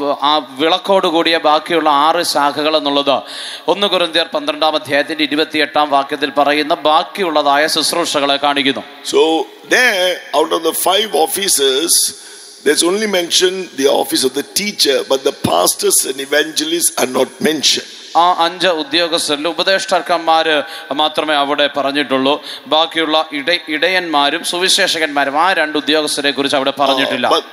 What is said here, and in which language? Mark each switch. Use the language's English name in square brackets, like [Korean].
[Malayalam] ആ വിളക്കോട് കൂടിയ ബാക്കിയുള്ള 6 ശാഖകൾ എന്നുള്ളത് 1 കൊരിന്ത്യർ 12-ാം അധ്യായത്തിന്റെ 28-ാം വാക്യത്തിൽ പറയുന്ന ബാക്കിയുള്ളതായ ശുശ്രൂഷകളെ കാണിക്കുന്നു. [English] So there out of the 5 offices, there's only mentioned the office of the teacher, but the pastors and evangelists are not mentioned. [Malayalam] ആ 5 ഉദ്യോഗസ്ഥരിൽ ഉപദേഷ്ടാക്കന്മാര് മാത്രമേ അവിടെ പറഞ്ഞിട്ടുള്ളൂ. ബാക്കിയുള്ള ഇടയന്മാരും സുവിശേഷകന്മാരും ആ 2 ഉദ്യോഗസ്ഥരെ കുറിച്ച് അവിടെ പറഞ്ഞിട്ടില്ല.